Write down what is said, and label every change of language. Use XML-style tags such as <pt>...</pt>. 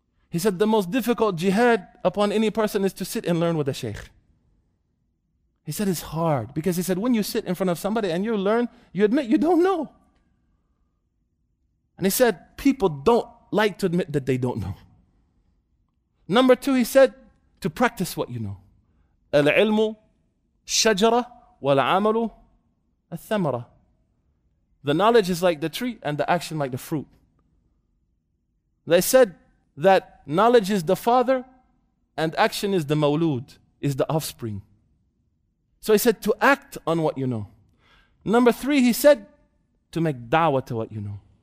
<en>He said the most difficult jihad upon any person is to sit and learn with a sheikh. He said it's hard because he said when you sit in front of somebody and you learn, you admit you don't know. And he said people don't like to admit that they don't know. Number two, he said to practice what you know.</en> <ar>العلم شجرة والعمل الثمرة.</ar> <en>The knowledge is like the tree and the action like the fruit. They said that knowledge is the father and action is the mawlud, is the offspring. So he said to act on what you know. Number three, he said to make da'wah to what you know.</en>